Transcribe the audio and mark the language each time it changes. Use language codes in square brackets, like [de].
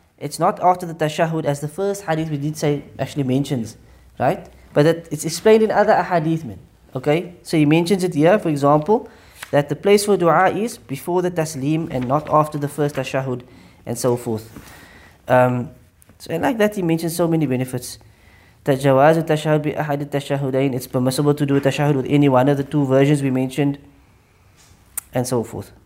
[en] It's not after the tashahud, as the first hadith we did say actually mentions. Right? But it's explained in other ahadith, man. Okay? So he mentions it here, for example, that the place for dua is before the taslim and not after the first tashahud and so forth. So and like that, he mentions so many benefits. [ar] تجواز التشهد بأحد التشهدين. [en] It's permissible to do a tashahud with any one of the two versions we mentioned, and so forth.